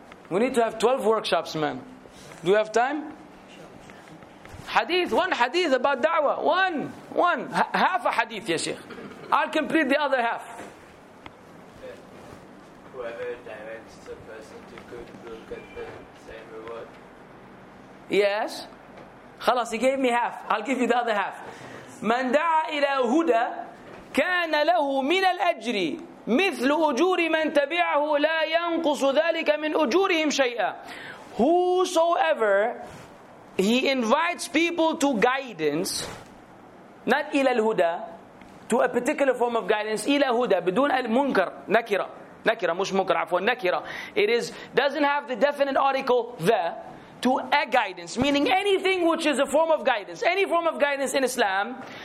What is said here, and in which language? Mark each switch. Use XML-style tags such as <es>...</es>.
<en>We need to have 12 workshops, man. Do you have time? Hadith, one hadith about da'wah. Half a hadith, ya Sheikh. I'll complete the other half. Whoever directs a person to good will get the same reward. Yes. خلاص, he gave me half. I'll give you the other half.</en> <ar>من دعا إلى هدى كان له من الأجر مثل أجور من تبعه لا ينقص ذلك من أجورهم شيئا.</ar> <en>Whosoever he invites people to guidance, not</en> <ar>إلى الهدى,</ar> <en>to a particular form of guidance,</en> <ar>إلى هدى بدون المنكر, نكرة, نكرة مش منكر, عفوا نكرة,</ar> <en>it is, doesn't have the definite article the, to a guidance, meaning anything which is a form of guidance, any form of guidance in Islam,</en>